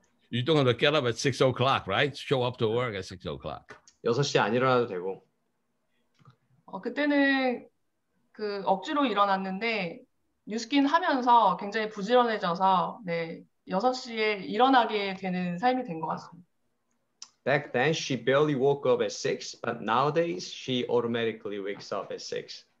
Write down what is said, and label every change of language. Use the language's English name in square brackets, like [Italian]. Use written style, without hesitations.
[English] You don't have to get up at 6 o'clock, right? Show up to work at 6 o'clock. [Korean] 6시에 안 일어나도 되고. 어, 그때는 그 억지로 일어났는데 뉴스킨 하면서 굉장히 부지런해져서 네, 6시에 일어나게 되는 삶이 된 것 같습니다. [English] Back then she barely woke up at 6, but nowadays she automatically wakes up at 6.